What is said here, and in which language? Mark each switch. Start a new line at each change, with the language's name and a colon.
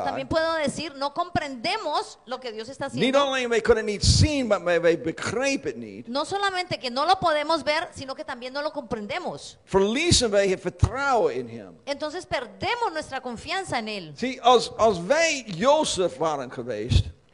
Spanish: O también puedo decir, no comprendemos lo que Dios está haciendo.
Dutch: Niet alleen wij kunnen niet zien, maar wij begrepen het niet.
Spanish: No solamente que no lo podemos ver, sino que también no lo comprendemos.
Dutch: Verliezen wij het vertrouwen in hem.
Spanish: Entonces perdemos nuestra confianza en él.
Dutch: Zie, als wij Jozef waren geweest.